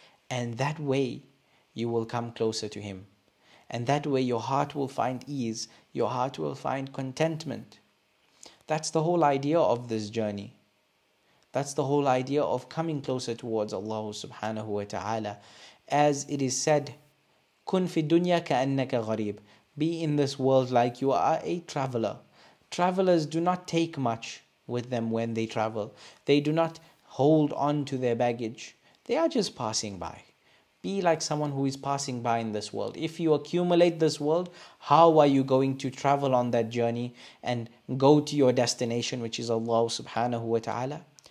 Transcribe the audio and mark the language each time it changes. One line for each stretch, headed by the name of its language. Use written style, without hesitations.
English: And that way you will come closer to Him. And that way your heart will find ease. Your heart will find contentment. That's the whole idea of this journey. That's the whole idea of coming closer towards Allah subhanahu wa ta'ala. As it is said,
Arabic: كُن فِي الدُّنْيَا كَأَنَّكَ غَرِيبٌ.
English: Be in this world like you are a traveler. Travelers do not take much with them when they travel. They do not hold on to their baggage. They are just passing by. Be like someone who is passing by in this world. If you accumulate this world, how are you going to travel on that journey and go to your destination, which is Allah subhanahu wa ta'ala?